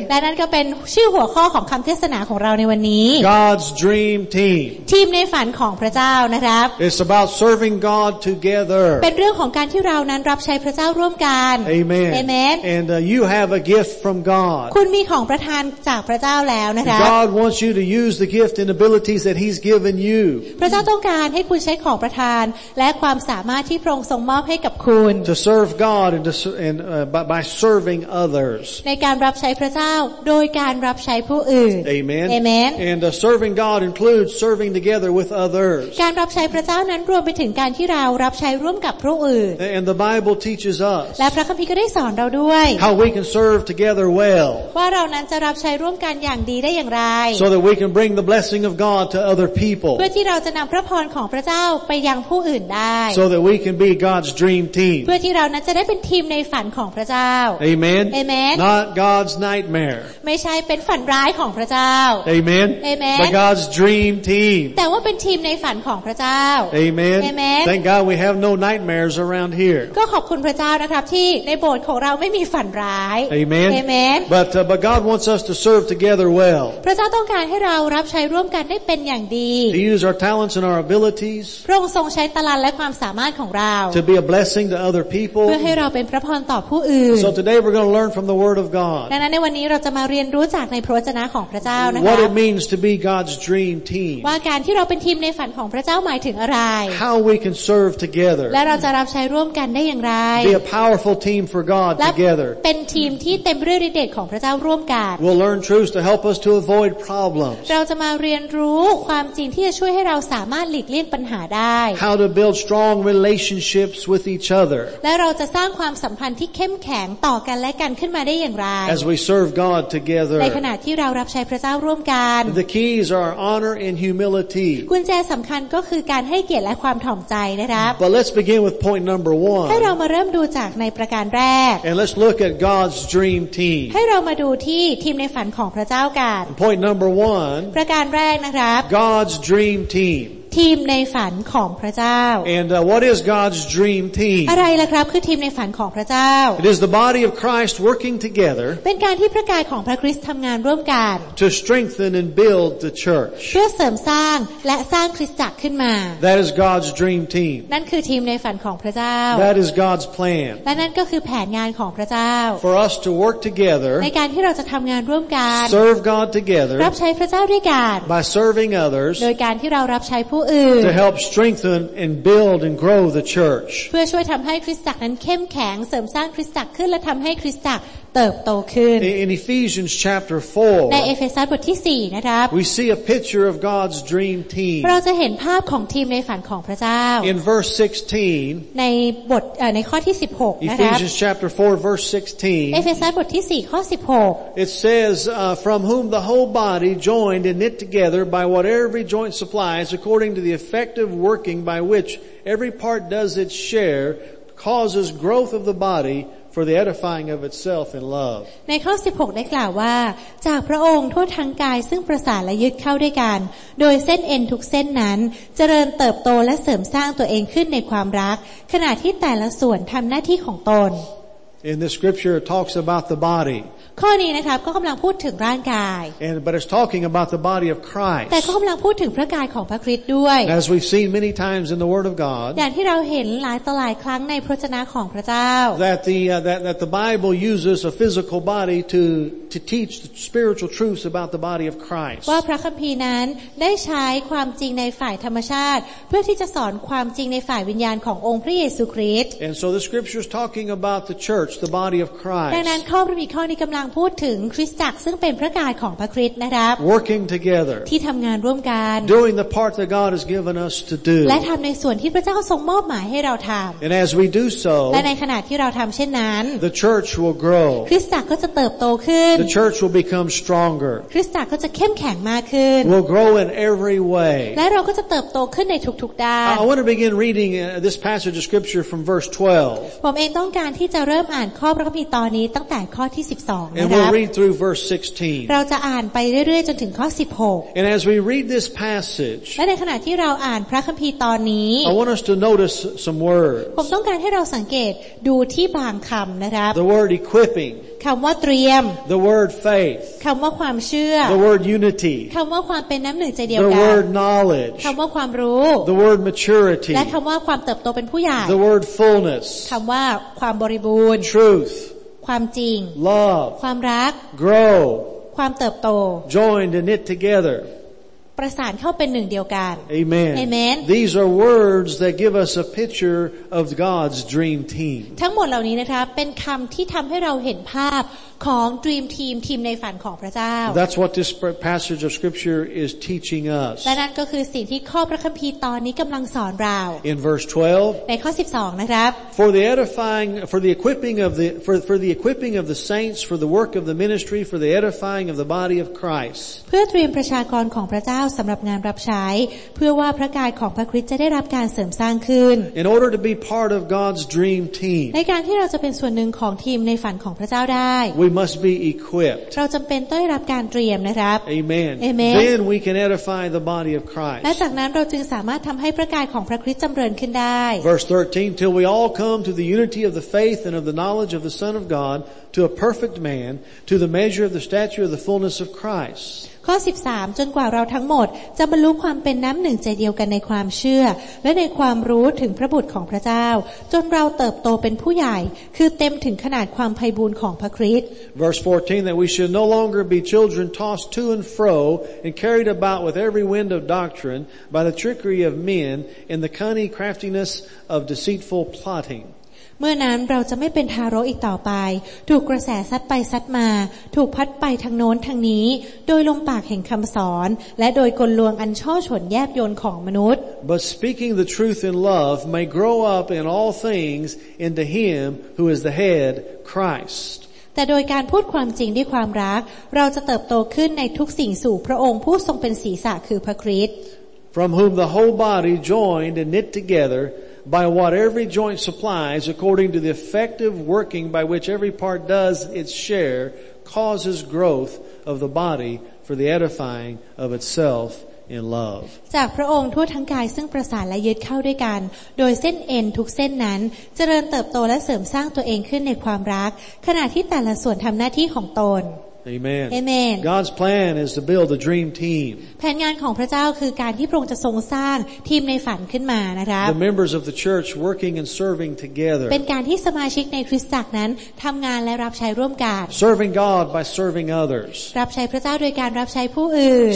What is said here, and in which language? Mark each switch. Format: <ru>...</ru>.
<th>และนั่นก็เป็นชื่อหัวข้อของคำเทศนาของเราในวันนี้</th> <en>God's dream team</en> <th>ทีมในฝันของพระเจ้านะครับ</th> <en>it's about serving God together</en> <th>เป็นเรื่องของการที่เรานั้นรับใช้พระเจ้าร่วมกัน</th> <en>amen amen and you have a gift from God</en> <th>คุณมีของประทานจากพระเจ้าแล้วนะครับ</th> <en>God wants you to use the gift and abilities that he's given you</en> <th>พระเจ้าต้องการให้คุณใช้ของประทานและความสามารถที่พระองค์ทรงมอบให้กับคุณ</th> <en>to serve God and by serving others</en> <th>ในการรับใช้พระเจ้าโดยการรับใช้ผู้อื่น</th> <en>amen amen and serving God includes serving together with others</en> <th>การรับใช้พระเจ้านั้นรวมไปถึงการที่เรารับใช้ร่วมกับผู้อื่น</th> <en>and the Bible teaches us</en> <th>และพระคัมภีร์ก็ได้สอนเราด้วย</th> <en>how we can serve together well</en> <th>ว่าเรานั้นจะรับใช้ร่วมกันอย่างดีได้อย่างไร</th> <en>so that we can bring the blessing of God to other people</en> <th>เพื่อที่เราจะนำพระพรของพระเจ้าไปยังผู้อื่นได้</th> <en>so that we can be God's dream team</en> <th>เพื่อที่เรานั้นจะได้เป็นทีมในฝันของพระเจ้า</th> <en>amen amen not God's nightmare</en> <th>ไม่ใช่เป็นฝันร้ายของพระเจ้า</th> <en>amen amen but God's dream team</en> <th>แต่ว่าเป็นทีมในฝันของพระเจ้า</th> <en>amen amen thank God we have no nightmares around here</en> <th>ก็ขอบคุณพระเจ้านะครับที่ในโบสถ์ของเราไม่มีฝันร้าย</th> <en>amen amen but God wants us to serve together well</en> <th>พระเจ้าต้องการให้เรารับใช้ร่วมกันได้เป็นอย่างดี</th> <en>He uses our talents and our abilities</en> <th>พระองค์ทรงใช้ตลาดและความสามารถของเรา</th> <en>to be a blessing to other people</en> <th>เพื่อให้เราเป็นพระพรต่อผู้อื่น</th> <en>so today we're going to learn from the word of God</en> <th>ดังนั้นในวันนี้เราจะมาเรียนรู้จากในพระวจนะของพระเจ้านะคะ</th> <en>what it means to be God's dream team</en> <th>ว่าการที่เราเป็นทีมในฝันของพระเจ้าหมายถึงอะไร</th> <en>how we can serve together</en> <th>และเราจะรับใช้ร่วมกันได้อย่างไร</th> <en>be a powerful team for God together</en> <th>เป็นทีมที่เต็มด้วยฤทธิ์เดชของพระเจ้าร่วมกัน</th> <en>we'll learn truths to help us to avoid problems</en> <th>เราจะมาเรียนรู้ความจริงที่จะช่วยให้เราสามารถหลีกเลี่ยงปัญหาได้</th> <en>how to build strong relationships with each other</en> <th>และเราจะสร้างความสัมพันธ์ที่เข้มแข็งต่อกันและกันขึ้นมาได้อย่างไร</th> <en>as we serve God together</en> <th>ในขณะที่เรารับใช้พระเจ้าร่วมกัน</th> <en>the keys are honor and humility</en> <th>กุญแจสำคัญก็คือการให้เกียรติและความถ่อมใจนะครับ</th> <en>but let's begin with point number 1</en> <th>ให้เรามาเริ่มดูจากในประการแรก</th> <en>and let's look at God's dream team</en> <th>ให้เรามาดูที่ทีมในฝันของพระเจ้ากัน</th> <en>point number 1</en> <th>ประการแรกนะครับ</th> <en>God's dream team</en> <th>ทีมในฝันของพระเจ้า</th> <en>And what is God's dream team?</en> <th>อะไรล่ะครับคือทีมในฝันของพระเจ้า</th> <en>It is the body of Christ working together</en> <th>เป็นการที่พระกายของพระคริสต์ทำงานร่วมกัน</th> <en>To strengthen and build the church</en> <th>เพื่อเสริมสร้างและสร้างคริสตจักรขึ้นมา</th> <en>That is God's dream team</en> <th>นั่นคือทีมในฝันของพระเจ้า</th> <en>That is God's plan</en> <th>และนั่นก็คือแผนงานของพระเจ้า</th> <en>For us to work together</en> <th>ในการที่เราจะทำงานร่วมกัน</th> <en>Serve God together</en> <th>รับใช้พระเจ้าด้วยกัน</th> <en>By serving others</en> <th>โดยการที่เรารับใช้ผู้</th> <en>To help strengthen and build and grow the church.</en> <th>เพื่อช่วยทำให้คริสตจักรนั้นเข้มแข็งเสริมสร้างคริสตจักรขึ้นและทำให้คริสตจักรเติบโตขึ้น</th> <en>In Ephesians chapter 4.</en> <th>ในเอเฟซัสบทที่4นะครับ</th> <en>We see a picture of God's dream team.</en> <th>เราจะเห็นภาพของทีมในฝันของพระเจ้า</th> <en>In verse 16.</en> <th>ในข้อที่16นะครับ</th> <en>Ephesians chapter 4 verse 16.</en> <th>เอเฟซัสบทที่4ข้อ16.</th> <en>It says from whom the whole body joined and knit together by what every joint supplies according to the effective working by which every part does its share causes growth of the body. For the edifying of itself in love.</en> <th>ในข้อ16ได้กล่าวว่าจากพระองค์ทั่วทั้งกายซึ่งประสานและยึดเข้าด้วยกันโดยเส้นเอ็นทุกเส้นนั้นเจริญเติบโตและเสริมสร้างตัวเองขึ้นในความรักขณะที่แต่ละส่วนทำหน้าที่ของตน</th> <en>In the scripture it talks about the body.</en> <th>ข้อนี้นะครับก็กำลังพูดถึงร่างกาย</th> <en>And, but it's talking about the body of Christ</en> <th>แต่ก็กำลังพูดถึงพระกายของพระคริสต์ด้วย</th> <en>As we've seen many times in the word of God</en> <th>อย่างที่เราเห็นหลายต่อหลายครั้งในพระวจนะของพระเจ้า</th> <en>that the Bible uses a physical body to teach the spiritual truths about the body of Christ</en> <th>ว่าพระคัมภีร์นั้นได้ใช้ความจริงในฝ่ายธรรมชาติเพื่อที่จะสอนความจริงในฝ่ายวิญญาณขององค์พระเยซูคริสต์</th> <en>And so the scripture is talking about the church the body of Christ</en> <th>ดังนั้นข้อพระคัมภีร์นี้กำลังพูดถึงคริสตจักรซึ่งเป็นพระกายของพระคริสต์นะครับ</th> <en>working together</en> <th>ที่ทำงานร่วมกัน</th> <en>doing the part that God has given us to do</en> <th>และทำในส่วนที่พระเจ้าทรงมอบหมายให้เราทำ</th> <en>and as we do so</en> <th>และในขณะที่เราทำเช่นนั้น</th> <en>the church will grow</en> <th>คริสตจักรก็จะเติบโตขึ้น</th> <en>The church will become stronger.</en> <th>คริสตจักรก็จะเข้มแข็งมากขึ้น</th> <en>We'll grow in every way.</en> <th>และเราก็จะเติบโตขึ้นในทุกๆด้าน</th> <en>I want to begin reading this passage of scripture from verse 12.</en> <th>ผมเองต้องการที่จะเริ่มอ่านข้อพระคัมภีร์ตอนนี้ตั้งแต่ข้อที่12นะครับ</th> <en>And we'll read through verse 16.</en> <th>เราจะอ่านไปเรื่อยๆจนถึงข้อ16.</th> <en>And as we read this passage,</en> <th>และในขณะที่เราอ่านพระคัมภีร์ตอนนี้</th> <en>I want us to notice some words.</en> <th>ผมต้องการให้เราสังเกตดูที่บางคำนะครับ</th> <en>The word equipping.</en> <th>คำว่าเตรียม</th> <en>The word faith</en> <th>คำว่าความเชื่อ</th> <en>The word unity</en> <th>คำว่าความเป็นน้ำหนึ่งใจเดียวก</th> <en>The word knowledge</en> <th>คำว่าความรู้</th> <en>The word maturity</en> <th>และคำว่าความเติบโตเป็นผู้ใหญ่</th> <en>The word fullness</en> <th>คำว่าความบริบูรณ์</th> <en>Truth</en> <th>ความจริง</th> <en>Love</en> <th>ความรัก</th> <en>Grow</en> <th>ความเติบโต</th> <en>Joined and knit together</en> <th>ประสานเข้าเป็นหนึ่งเดียวกัน</th> <en>Amen Amen These are words that give us a picture of God's dream team</en> <th>ทั้งหมดเหล่านี้นะคะเป็นคำที่ทำให้เราเห็นภาพของ dream team ทีมในฝันของพระเจ้า</th> <en>That's what this passage of scripture is teaching us</en> <th>และนั่นก็คือสิ่งที่ข้อพระคัมภีร์ตอนนี้กำลังสอนเรา</th> <en>In verse 12</en> <th>ในข้อ12นะครับ</th> <en>For the edifying for the equipping of the saints for the work of the ministry for the edifying of the body of Christ</en> <th>เพื่อเตรียมประชากรของพระเจ้าสำหรับงานรับใช้เพื่อว่าพระกายของพระคริสต์จะได้รับการเสริมสร้างขึ้น</th> <en>In order to be part of God's dream team</en> <th>ในการที่เราจะเป็นส่วนหนึ่งของทีมในฝันของพระเจ้าได้</th> <en>We must be equipped</en> <th>เราจำเป็นต้องได้รับการเตรียมนะครับ</th> <en>Amen Amen Then we can edify the body of Christ</en> <th>และจากนั้นเราจึงสามารถทำให้พระกายของพระคริสต์เจริญขึ้นได้</th> <en>Verse 13 till we all come to the unity of the faith and of the knowledge of the Son of God to a perfect man to the measure of the stature of the fullness of Christ</en> <th>ข้อ13จนกว่าเราทั้งหมดจะบรรลุความเป็นน้ำหนึ่งใจเดียวกันในความเชื่อและในความรู้ถึงพระบุตรของพระเจ้าจนเราเติบโตเป็นผู้ใหญ่คือเต็มถึงขนาดความไพบูลย์ของพระคริสต์</th> <en>Verse 14 that we should no longer be children tossed to and fro and carried about with every wind of doctrine by the trickery of men in the cunning craftiness of deceitful plotting</en> <th>เมื่อนั้นเราจะไม่เป็นทารกอีกต่อไปถูกกระแสซัดไปซัดมาถูกพัดไปทางโน้นทางนี้โดยลมปากแห่งคำสอนและโดยกลลวงอันช่อฉนแยบยลของมนุษย์</th> <en>But speaking the truth in love may grow up in all things into him who is the head Christ</en> <th>แต่โดยการพูดความจริงด้วยความรักเราจะเติบโตขึ้นในทุกสิ่งสู่พระองค์ผู้ทรงเป็นศีรษะคือพระคริสต์</th> <en>From whom the whole body joined and knit togetherby what every joint supplies according to the effective working by which every part does its share causes growth of the body for the edifying of itself in love</en> <th>จากพระองค์ทั่วทั้งกายซึ่งประสานและยึดเข้าด้วยกันโดยเส้นเอ็นทุกเส้นนั้นเจริญเติบโตและเสริมสร้างตัวเองขึ้นในความรักขณะที่แต่ละส่วนทำหน้าที่ของตน</th> <en>Amen. Amen. God's plan is to build a dream team.</en> <th>แผนงานของพระเจ้าคือการที่พระองค์จะทรงสร้างทีมในฝันขึ้นมานะครับ</th> <en>The members of the church working and serving together.</en> <th>เป็นการที่สมาชิกในคริสตจักรนั้นทำงานและรับใช้ร่วมกัน</th> <en>Serving God by serving others.</en> <th>รับใช้พระเจ้าโดยการรับใช้ผู้อื่น</th>